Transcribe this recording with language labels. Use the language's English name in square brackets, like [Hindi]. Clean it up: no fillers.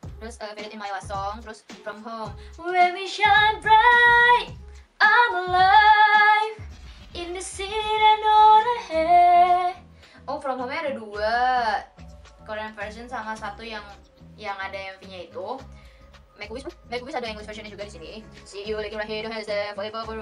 [English] Terus Faded in My Last Song. Terus From Home. When we shine bright I'm alive in the city and all ahead. [Indonesian] Oh, From Home-nya ada dua, Korean version sama satu yang ada MV-nya itu. Make a wish ada English version-nya juga di sini. [English] See you looking right here, don't have to say forever.